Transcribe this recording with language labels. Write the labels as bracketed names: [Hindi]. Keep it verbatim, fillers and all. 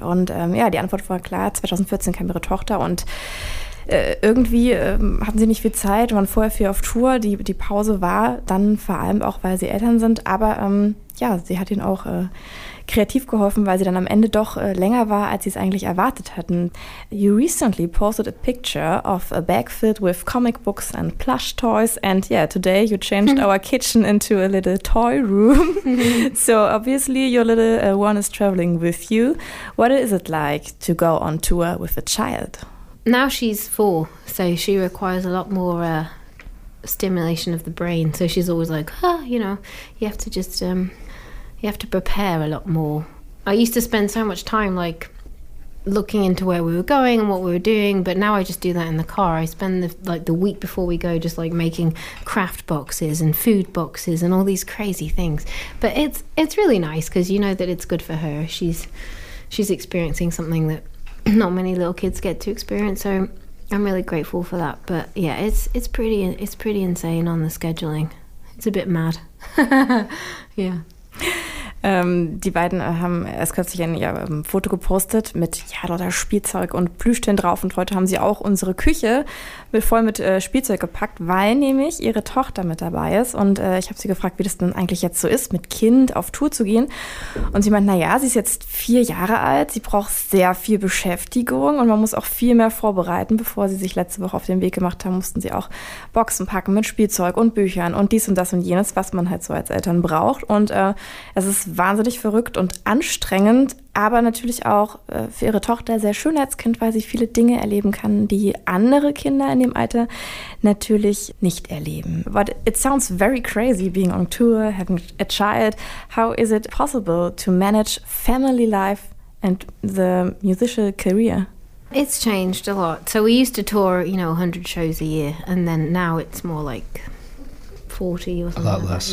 [German] Und ähm, ja, die Antwort war klar, zwanzig vierzehn kam ihre Tochter und äh, irgendwie äh, hatten sie nicht viel Zeit, waren vorher viel auf Tour. Die, die Pause war dann vor allem auch, weil sie Eltern sind. Aber ähm, ja, sie hat ihnen auch äh, kreativ geholfen, weil sie dann am Ende doch äh, länger war, als sie es eigentlich erwartet hatten. [English] You recently posted a picture of a bag filled with comic books and plush toys, and yeah, today you changed our kitchen into a little toy room. So obviously your little uh, one is traveling with you. What is it like to go on tour with a child? Now she's four, so she requires a lot more uh, stimulation of the brain. So she's always like, ah, you know, you have to just... Um You have to prepare a lot more. I used to spend so much time like looking into where we were going and what we were doing, but now I just do that in the car. I spend the, like the week before we go just like making craft boxes and food boxes and all these crazy things. But it's it's really nice because you know that it's good for her. She's she's experiencing something that not many little kids get to experience. So I'm really grateful for that. But yeah, it's it's pretty it's pretty insane on the scheduling. It's a bit mad. Yeah. [German] Ähm, die beiden haben erst kürzlich ein ja, Foto gepostet mit ja, lauter Spielzeug und Plüschtieren drauf. Und heute haben sie auch unsere Küche mit, voll mit äh, Spielzeug gepackt, weil nämlich ihre Tochter mit dabei ist. Und äh, ich habe sie gefragt, wie das denn eigentlich jetzt so ist, mit Kind auf Tour zu gehen. Und sie meint, naja, sie ist jetzt vier Jahre alt, sie braucht sehr viel Beschäftigung und man muss auch viel mehr vorbereiten. Bevor sie sich letzte Woche auf den Weg gemacht haben, mussten sie auch Boxen packen mit Spielzeug und Büchern und dies und das und jenes, was man halt so als Eltern braucht. Und äh, es ist wahnsinnig verrückt und anstrengend, aber natürlich auch äh, für ihre Tochter sehr schön als Kind, weil sie viele Dinge erleben kann, die andere Kinder in dem Alter natürlich nicht erleben. [English] But it sounds very crazy being on tour, having a child. How is it possible to manage family life and the musical career? It's changed a lot. So we used to tour, you know, one hundred shows a year, and then now it's more like forty or something. A lot less.